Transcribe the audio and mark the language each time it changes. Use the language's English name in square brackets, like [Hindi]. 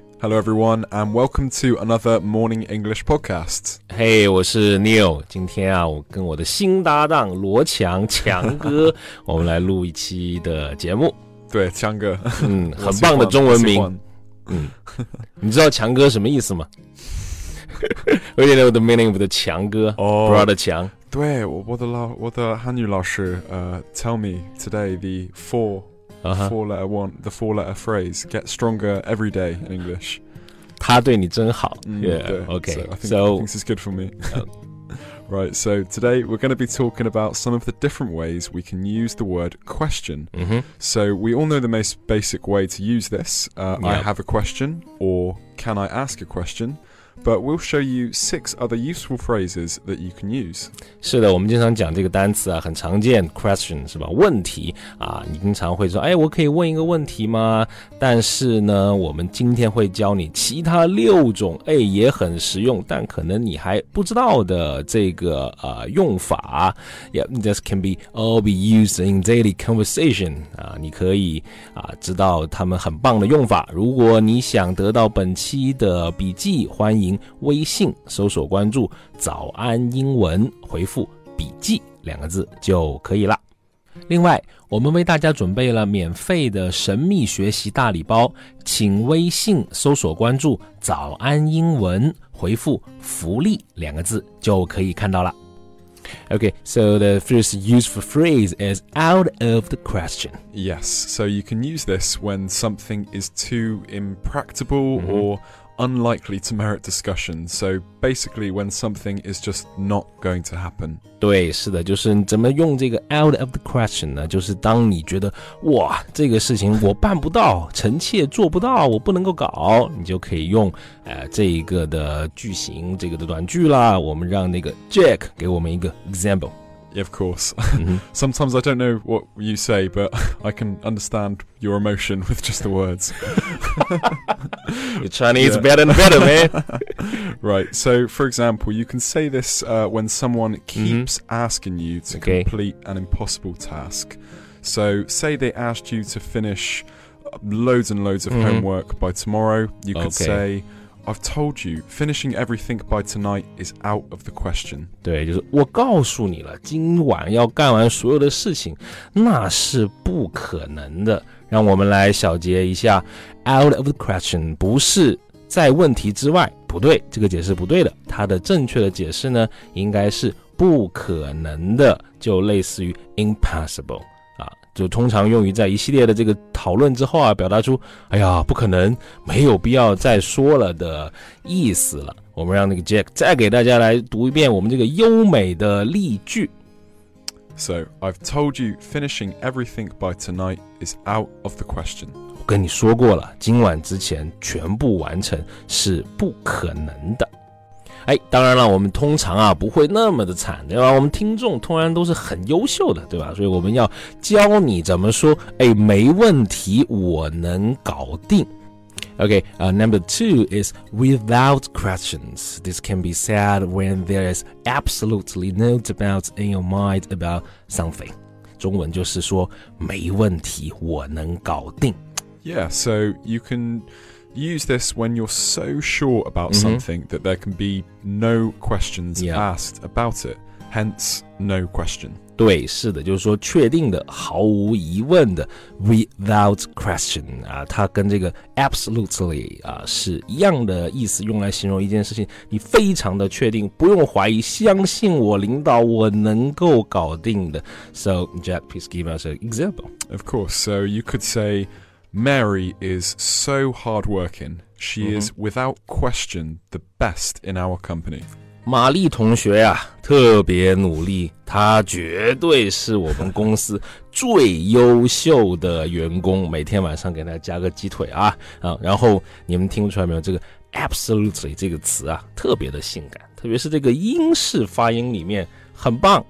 [English] Hello everyone, and welcome to another Morning English podcast. [Chinese] Hey, 我是 Neil. 今天啊，我跟我的新搭档罗强，强哥，我们来录一期的节目。对，强哥，嗯，很棒的中文名。嗯，你知道强哥什么意思吗？ [English] We didn't know the meaning of the 强哥、brother 强。 [Chinese] 对，我的汉语老师， [English] tell me today the four letter phrase get stronger every day in English. [Chinese] 他对你真好。Okay. [English] So I think this is good for me. Right. So today we're going to be talking about some of the different ways we can use the word question.、 Mm-hmm. So we all know the most basic way to use this.、I have a question, or can I ask a question? But we'll show you six other useful phrases that you can use. [Chinese] 是的，我们经常讲这个单词啊，很常见 ，question 是吧？问题啊，你经常会说，哎，我可以问一个问题吗？但是呢，我们今天会教你其他六种，哎，也很实用，但可能你还不知道的这个用法。 [English] Yeah, this can be all be used in daily conversation. [Chinese] 啊，你可以啊知道他们很棒的用法。如果你想得到本期的笔记，欢迎微信搜索关注早安英文，回复笔记两个字就可以了。另外，我们为大家准备了免费的神秘学习大礼包，请微信搜索关注早安英文，回复福利两个字就可以看到了。 [English] Okay, so the first useful phrase is out of the question. Yes, so you can use this when something is too impracticable or unlikely to merit discussion. So basically, when something is just not going to happen. [Chinese] 对，是的，就是怎么用这个 out of the question 呢？就是当你觉得哇，这个事情我办不到，臣妾做不到，我不能够搞，你就可以用这一个的句型，这个的短句啦。我们让那个 Jack 给我们一个 example. [English] Of course. Sometimes I don't know what you say, but I can understand your emotion with just the words. Your Chinese is better and better, man. Right. So, for example, you can say this when someone keeps asking you to complete an impossible task. So, say they asked you to finish loads and loads of homework by tomorrow. You could say... I've told you, finishing everything by tonight is out of the question. [Chinese] 对，就是我告诉你了，今晚要干完所有的事情，那是不可能的。让我们来小结一下 ，out of the question 不是在问题之外，不对，这个解释不对的。它的正确的解释呢，应该是不可能的，就类似于 impossible 啊，就通常用于在一系列的这个。讨论之后啊，表达出哎呀不可能，没有必要再说了的意思了。我们让那个 Jack 再给大家来读一遍我们这个优美的例句。 [English] So I've told you finishing everything by tonight is out of the question. [Chinese] 我跟你说过了，今晚之前全部完成是不可能的。哎，当然了，我们通常啊不会那么的惨，对吧？我们听众通常都是很优秀的，对吧？所以我们要教你怎么说，哎，没问题，我能搞定。 [English] Okay, number two is without questions. This can be said when there is absolutely no doubt in your mind about something. [Chinese] 中文就是说没问题，我能搞定。 [English] Yeah, so you can. Use this when you're so sure about something that there can be no questions asked about it. Hence, no question. [Chinese] 对，是的，就是说确定的，毫无疑问的 ，without question. 啊，它跟这个 absolutely 啊是一样的意思，用来形容一件事情，你非常的确定，不用怀疑，相信我，领导，我能够搞定的。 [English] So, Jack, please give us an example. Of course. So you could say. Mary is so hardworking. She is without question the best in our company. [Chinese] 玛丽同学啊，特别努力，她绝对是我们公司最优秀的员工。每天晚上给她加个鸡腿啊，然后你们听出来没有？这个 absolutely 这个词啊，特别的性感，特别是这个英式发音里面很棒。